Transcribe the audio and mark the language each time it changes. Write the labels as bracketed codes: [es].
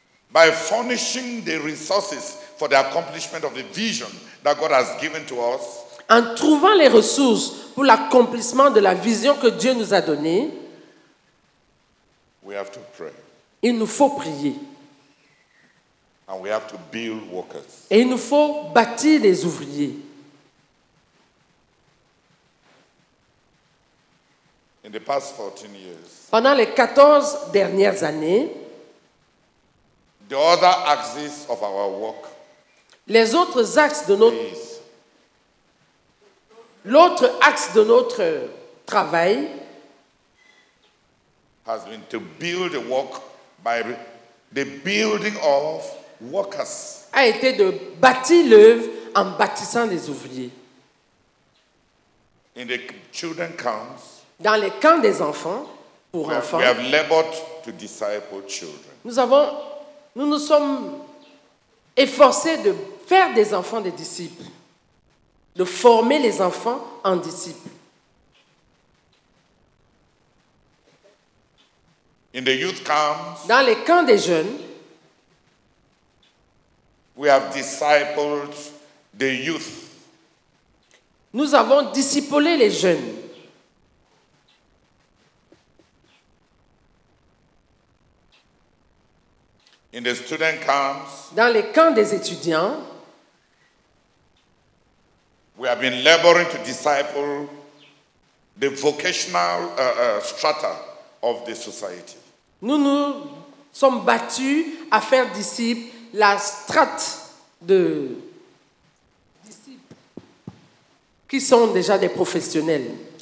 [en] by furnishing the resources for the accomplishment of the vision that God has given to us, [fr] en trouvant les ressources pour l'accomplissement de la vision que Dieu nous a donnée, [en] we have to pray. [fr] Il nous faut prier. [en] And we have to build workers. [fr] Et il nous faut bâtir des ouvriers. [en] In the past 14 years, [fr] pendant les 14 dernières années, [en] the other axis of our work, [fr] les autres axes de notre [en] is, [fr] l'autre axe de notre travail [en] has been to build a work by the building of workers. [fr] A été de bâtir l'œuvre en bâtissant les ouvriers. [en] In the children camps, [fr] dans les camps des enfants, pour enfants, [en] we have labored to disciple children. [fr] Nous nous sommes efforcés de faire des enfants des disciples, de former les enfants en disciples. [en] In the youth camps, [fr] dans les camps des jeunes, [en] we have discipled the youth. [fr] Nous avons discipulé les jeunes. [en] In the student camps, [fr] dans les camps des étudiants, [en] we have been laboring to disciple the vocational strata of the society. [fr] Nous nous sommes battus à faire disciple la strate de disciples qui sont déjà des professionnels.